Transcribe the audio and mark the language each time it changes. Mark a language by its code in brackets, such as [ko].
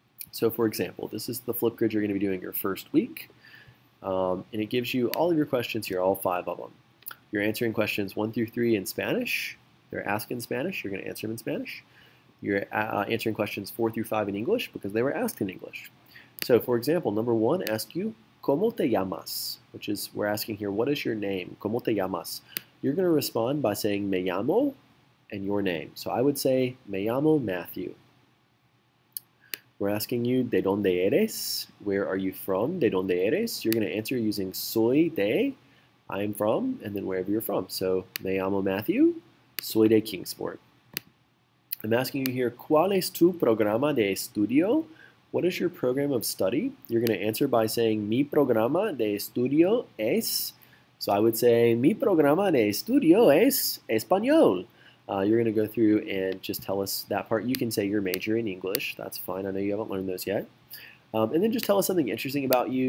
[en] So for example, this is the Flipgrid you're gonna be doing your first week, and it gives you all of your questions here, all 5 of them. You're answering questions 1 through 3 in Spanish. They're asked in Spanish, you're going to answer them in Spanish. You're answering questions 4 through 5 in English because they were asked in English. So, for example, number 1 asks you, [es] ¿Cómo te llamas? [en] Which is, we're asking here, what is your name? [es] ¿Cómo te llamas? [en] You're going to respond by saying, [es] me llamo, [en] and your name. So I would say, [es] me llamo [en] Matthew. We're asking you, [es] ¿De dónde eres? [en] Where are you from? [es] ¿De dónde eres? [en] You're going to answer using [es] soy de, [en] I am from, and then wherever you're from. So, [es] me llamo Matthew. Soy de Kingsport. I'm asking you here, ¿Cuál es tu programa de estudio? [en] What is your program of study? You're going to answer by saying, [es] Mi programa de estudio es. [en] So I would say, [es] Mi programa de estudio es español. [en] You're going to go through and just tell us that part. You can say your major in English. That's fine. I know you haven't learned those yet. And then just tell us something interesting about you.